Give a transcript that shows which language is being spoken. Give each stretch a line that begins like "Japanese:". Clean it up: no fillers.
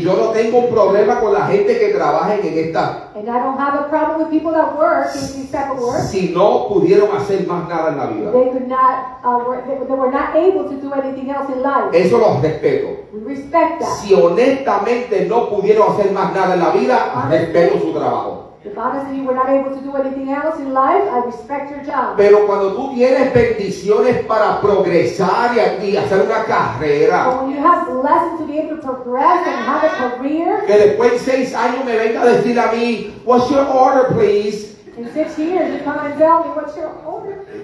Spanish: yo no tengo un problema con la gente que trabaja en esta.
English: And I don't have a problem with people that work in these type of work.
Spanish: Si no pudieron hacer más nada en la vida.
English: They could not, they were not able to do anything else in life.
Spanish: Eso los respeto.
English: We respect that.
Spanish: Si honestamente no pudieron hacer más nada en la vida, respeto su trabajo.
English: If honestly you were not able to do anything else in life, I respect your job.
Spanish: Pero cuando tú tienes bendiciones para progresar y hacer una carrera.
English: But when you have blessings to be able to progress and have a career.
Spanish: Que después de 6 años me venga a decir a mí,
English: what's your order, please? In 6 years, you come and tell me, what's your order?